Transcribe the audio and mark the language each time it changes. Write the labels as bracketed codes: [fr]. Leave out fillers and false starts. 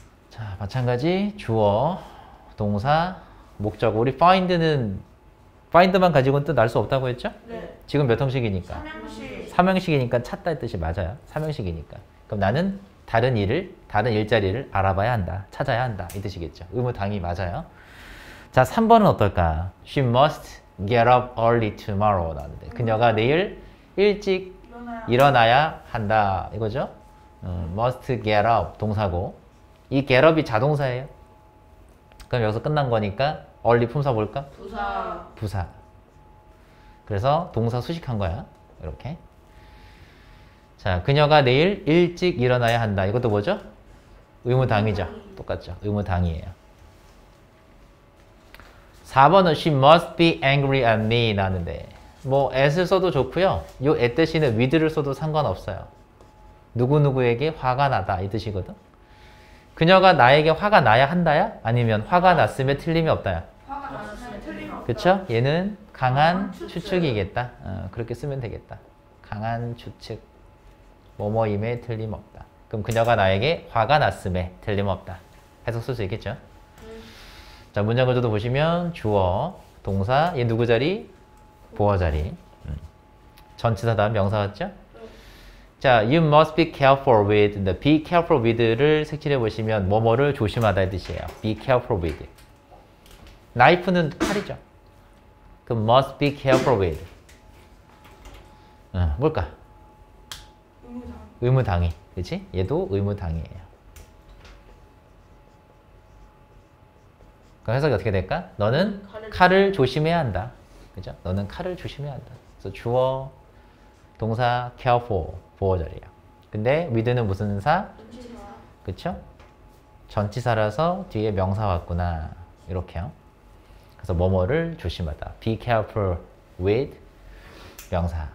[ko] 자, 마찬가지 주어, 동사, 목적어. 우리 find는 find만 가지고는 또날수 없다고 했죠? 지금 몇 형식이니까. 삼형식이니까 찾다의 뜻이 맞아요. 삼형식이니까. 그럼 나는 다른 일을, 다른 일자리를 알아봐야 한다. 찾아야 한다. 이 뜻이겠죠. 의무 당이 맞아요. 자, 3번은 어떨까? [en] She must get up early tomorrow. [ko] 나왔는데. 그녀가 내일 일찍 일어나야 한다. 이거죠? [en] must get up. [ko] 동사고. 이 get up이 자동사예요. 그럼 여기서 끝난 거니까. early 품사 볼까? 부사. 부사. 그래서 동사 수식한 거야. 이렇게. 자, 그녀가 내일 일찍 일어나야 한다. 이것도 뭐죠? 의무 당이죠. 똑같죠. 의무 당이에요. 4번은 [en] she must be angry at me [ko] 나는데. 뭐 at을 써도 좋고요. 요 at 대신에 with를 써도 상관없어요. 누구누구에게 화가 나다 이 뜻이거든. 그녀가 나에게 화가 나야 한다야? 아니면 화가 났음에 틀림이 없다야? 그쵸? 얘는 강한 추측이겠다. 그렇게 쓰면 되겠다. 강한 추측. 뭐뭐임에 틀림없다. 그럼 그녀가 나에게 화가 났음에 틀림없다. 해석 쓸수 있겠죠? 자, 문장 구조도 보시면 주어, 동사, 얘 누구 자리? 보어 자리. 전치사 다음 명사 같죠? [en] 자, you must be careful with. Be careful with [ko] 를 색칠해 보시면 뭐뭐를 조심하다의 뜻이에요. [en] Be careful with. [ko] 나이프는 칼이죠. [en] 그 must be careful with. [ko] 뭘까? 의무당이. 그치? 얘도 의무당이에요. 그럼 해석이 어떻게 될까? 너는 칼을 조심해야 한다. 그죠? 너는 칼을 조심해야 한다. 그래서 주어, 동사, careful, 보호자리에요. 근데 with는 무슨 사? 그쵸? 전치사라서 뒤에 명사 왔구나. 이렇게요. 그래서 뭐뭐를 조심하다. [en] Be careful with 명사.